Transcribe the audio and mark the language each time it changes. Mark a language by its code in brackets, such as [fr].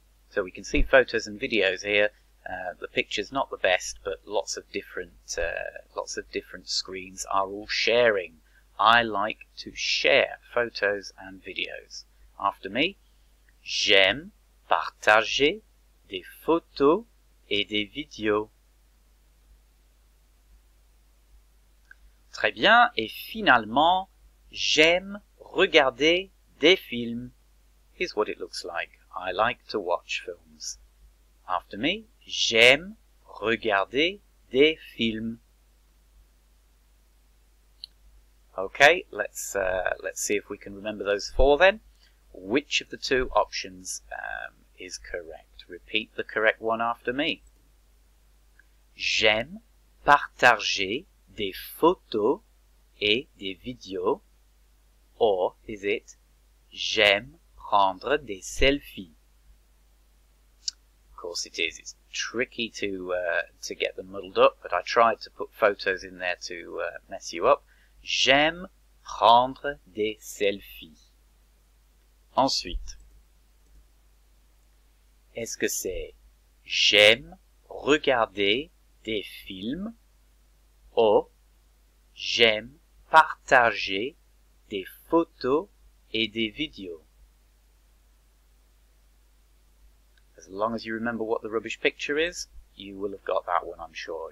[en] So we can see photos and videos here. The picture's not the best, but lots of different screens are all sharing. I like to share photos and videos. After me, [fr] j'aime partager des photos et des vidéos. Très bien, et finalement, j'aime regarder des films. [en] Here's what it looks like. I like to watch films. After me, [fr] j'aime regarder des films. [en] Okay, let's see if we can remember those four then. Which of the two options is correct? Repeat the correct one after me. [fr] J'aime partager des photos et des vidéos. [en] Or, is it, [fr] j'aime prendre des selfies. [en] Of course it is. It's tricky to get them muddled up, but I tried to put photos in there to mess you up. [fr] J'aime prendre des selfies. Ensuite, est-ce que c'est j'aime regarder des films ou j'aime partager des photos et des vidéos? [en] As long as you remember what the rubbish picture is, you will have got that one, I'm sure.